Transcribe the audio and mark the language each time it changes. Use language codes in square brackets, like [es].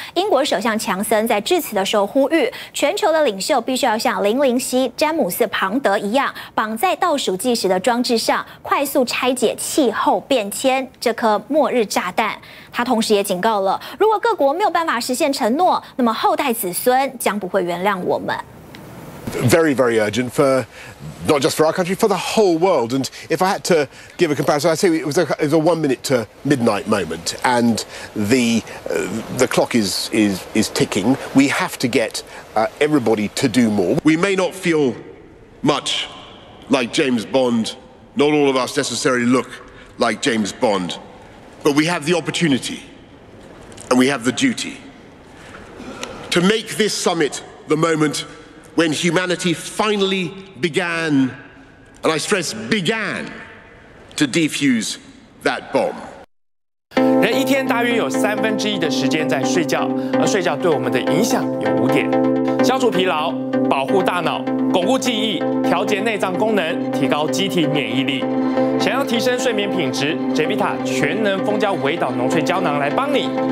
[zh] 英国首相强森在致辞的时候呼吁，全球的领袖必须要像007詹姆斯庞德一样，绑在倒数计时的装置上，快速拆解气候变迁这颗末日炸弹。他同时也警告了，如果各国没有办法实现承诺，那么后代子孙将不会原谅我们。 [en] Very, very urgent for not just for our country, for the whole world. And if I had to give a comparison, I'd say it was a 1-minute-to-midnight moment, and the clock is ticking. We have to get everybody to do more. We may not feel much like James Bond, not all of us necessarily look like James Bond, but we have the opportunity and we have the duty to make this summit the momentWhen humanity finally began, and I stress began, to defuse that bomb. [zh] 人一天大约有1/3的时间在睡觉，而睡觉对我们的影响有5点：消除疲劳、保护大脑、巩固记忆、调节内脏功能、提高机体免疫力。想要提升睡眠品质 ，Jevita 全能蜂胶围导浓萃胶囊来帮你。